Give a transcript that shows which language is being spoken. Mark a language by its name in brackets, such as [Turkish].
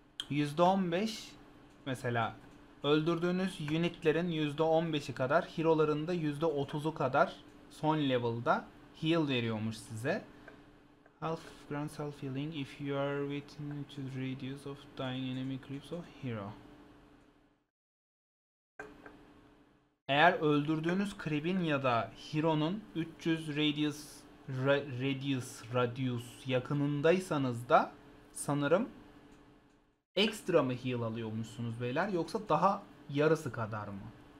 [Turkish] %15 mesela öldürdüğünüz unitlerin %15'i kadar, hero'ların da %30'u kadar son level'da heal veriyormuş size. [English] Health grants health healing if you are within the radius of dying enemy creeps or hero. [Turkish] Eğer öldürdüğünüz creep'in ya da hero'nun 300 radius yakınındaysanız da sanırım ekstra mı heal alıyormuşsunuz beyler, yoksa daha yarısı kadar mı?